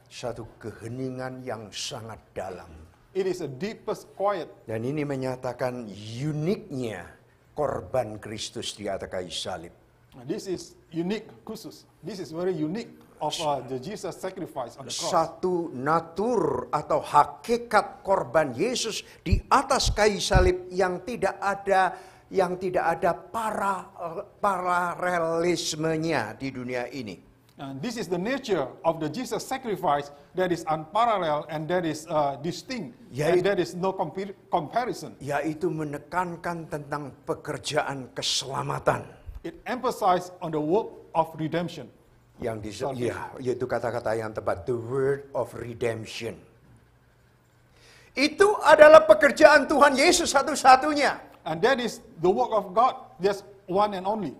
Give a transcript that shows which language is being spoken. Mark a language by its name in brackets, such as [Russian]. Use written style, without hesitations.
[Indonesian] Satu keheningan yang sangat dalam. [English] It is a deepest quiet. [Indonesian] Dan ini menyatakan uniknya korban Kristus di atas kayu salib. [English] This is unique, [Indonesian] khusus. [English] This is very unique of the Jesus sacrifice on the cross. [Indonesian] Satu natur atau hakikat korban Yesus di atas kayu salib yang tidak ada paralelismenya di dunia ini. [English] And this is the nature of the Jesus sacrifice that is unparalleled and that is distinct, [Indonesian] yaitu, [English] and that is no comparison. [Indonesian] Yaitu menekankan tentang pekerjaan keselamatan. [English] It emphasizes on the work of redemption. [Indonesian] Yaitu kata-kata yang tepat, [English] the word of redemption. [Indonesian] Itu adalah pekerjaan Tuhan Yesus satu-satunya. [English] And that is the work of God, that's one and only.